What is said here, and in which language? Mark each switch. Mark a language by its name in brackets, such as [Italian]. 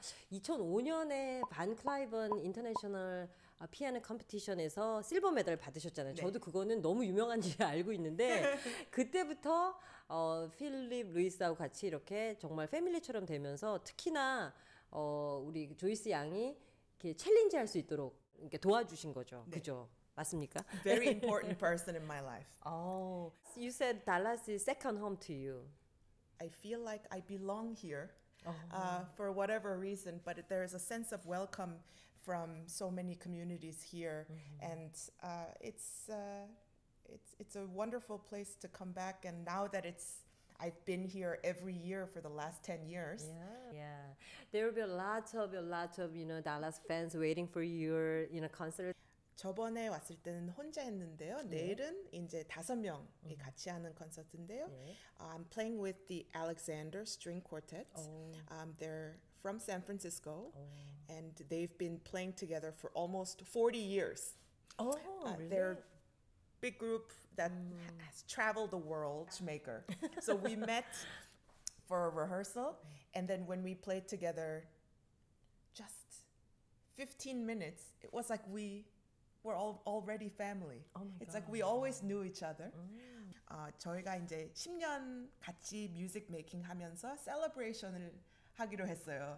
[Korean] 2005년에 반 클라이번 인터내셔널 피아노 컴피티션에서 실버 메달을 받으셨잖아요. 네. 저도 그거는 너무 유명한 줄 알고 있는데 그때부터 필립 루이스하고 같이 이렇게 정말 패밀리처럼 되면서 특히나 우리 조이스 양이 이렇게 챌린지 할 수 있도록 이렇게 도와주신 거죠. 네. 그죠? 맞습니까? [English] Very important person in my life. You said Dallas is second home to you. I feel like I belong here. For whatever reason, but there is a sense of welcome from so many communities here, mm-hmm. and it's a wonderful place to come back. And now that I've been here every year for the last 10 years. Yeah, there will be lots of you know Dallas fans waiting for your you know concert. [Korean] 저번에 왔을 때는 혼자 했는데요. 네. 내일은 이제 다섯 명이 uh-huh. 같이 하는 콘서트인데요. [English] 네. I'm playing with the Alexander String Quartet. They're from San Francisco. And they've been playing together for almost 40 years. Really? They're a big group that has traveled the world, Maker. So we met for a rehearsal. And then when we played together just 15 minutes, it was like we're already family. Oh It's like we always knew each other. Oh. [Korean] 저희가 이제 10년 같이 뮤직 메이킹 하면서 셀러브레이션을 하기로 했어요.